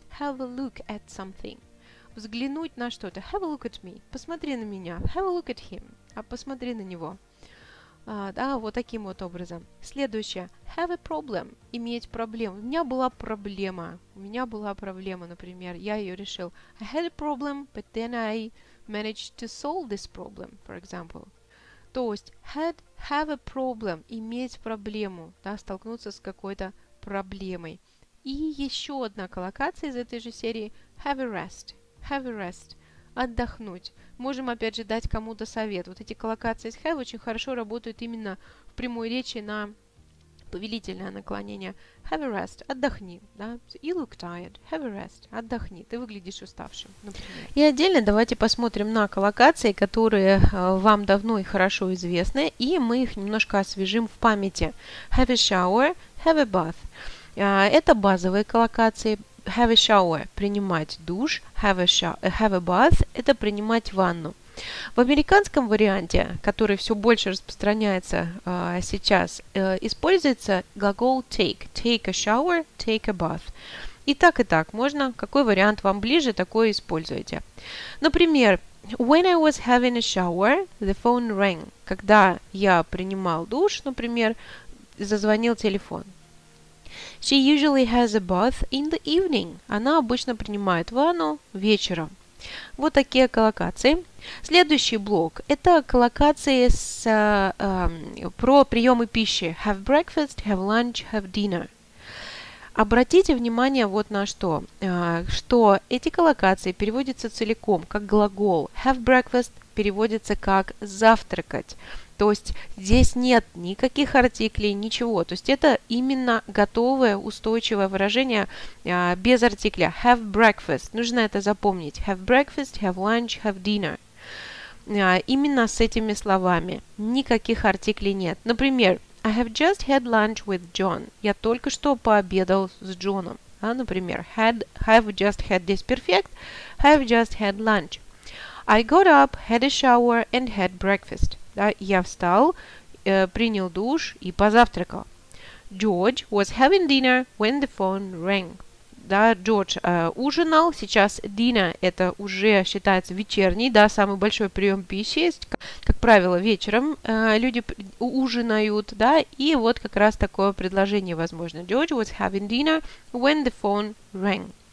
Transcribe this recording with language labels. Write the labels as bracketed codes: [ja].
[en] Have a look at something. [ru] Взглянуть на что-то. [en] Have a look at me. [ru] Посмотри на меня. [en] Have a look at him. [ru] А посмотри на него. Да, вот таким вот образом. Следующее. [en] Have a problem. [ru] Иметь проблему. У меня была проблема. У меня была проблема, например. Я ее решил. [en] I had a problem, but then I managed to solve this problem, for example. [ru] То есть, [en] have a problem. [ru] Иметь проблему. Да, столкнуться с какой-то проблемой. И еще одна коллокация из этой же серии. [en] Have a rest. Have a rest. [ru] Отдохнуть. Можем, опять же, дать кому-то совет. Вот эти коллокации с have очень хорошо работают именно в прямой речи на повелительное наклонение. [en] Have a rest. [ru] Отдохни. Да? [en] You look tired. Have a rest. [ru] Отдохни. Ты выглядишь уставшим. Например. И отдельно давайте посмотрим на коллокации, которые вам давно и хорошо известны, и мы их немножко освежим в памяти. [en] Have a shower. Have a bath. [ru] Это базовые коллокации. [en] Have a shower – [ru] принимать душ, [en] have a bath – [ru] это принимать ванну. В американском варианте, который все больше распространяется сейчас, используется глагол take – [en] take a shower, take a bath. [ru] И так можно, какой вариант вам ближе, такой используйте. Например, [en] when I was having a shower, the phone rang. [ru] Когда я принимал душ, например, зазвонил телефон. [en] She usually has a bath in the evening. [ru] Она обычно принимает ванну вечером. Вот такие коллокации. Следующий блок – это коллокации про приемы пищи. [en] Have breakfast, have lunch, have dinner. [ru] Обратите внимание вот на что, что эти коллокации переводятся целиком как глагол. [en] Have breakfast [ru] переводится как завтракать. То есть здесь нет никаких артиклей, ничего. То есть это именно готовое устойчивое выражение без артикля. [en] Have breakfast. [ru] Нужно это запомнить. [en] Have breakfast, have lunch, have dinner. [ru] Именно с этими словами. Никаких артиклей нет. Например, [en] I have just had lunch with John. [ru] Я только что пообедал с Джоном. А, например, [en] have just had this perfect. Have just had lunch. I got up, had a shower and had breakfast. [ru] Да, я встал, принял душ и позавтракал. [en] George was having dinner when the phone rang. [ru] Да, George ужинал. Сейчас dinner – это уже считается вечерний, да, самый большой прием пищи. Есть, как правило, вечером люди ужинают. Да, и вот как раз такое предложение возможно. [en] George was having dinner when the phone rang.